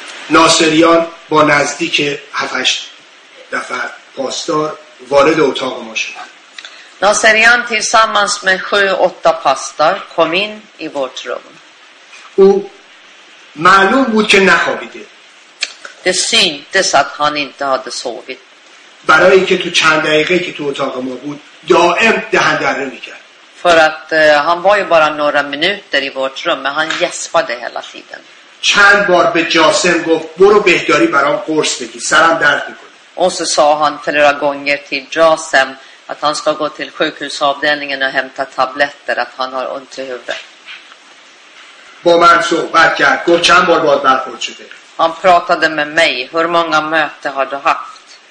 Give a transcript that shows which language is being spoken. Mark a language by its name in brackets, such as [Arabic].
[Persian] ناصریان با نزدیک 7-8 نفر پاستار وارد اتاق ما شد. [Swedish] ناصریان tillsammans med 7-8 pastor kom in i vårt rum. [Persian] او معلوم بود که نخوابیده. [Swedish] Det syntes att han inte hade sovit. [Persian] برای اینکه تو چند دقیقه که تو اتاق ما بود دائم دهن دره میکرد. [Swedish] För att han var ju bara några minuter i vårt rum, men han gäspade hela tiden. [Persian] چند بار به جاسم گفت برو بهداری برام قرص بگی سرم درد میکنه. [Swedish] Och så sa han flera gånger till Jasem att han ska gå till sjukhusavdelningen och hämta tabletter att han har ont i huvudet. [Persian] با من صحبت کرد گفت چند بار باید برخورد شده. [Swedish] Han pratade med mig, hur många möten har du haft?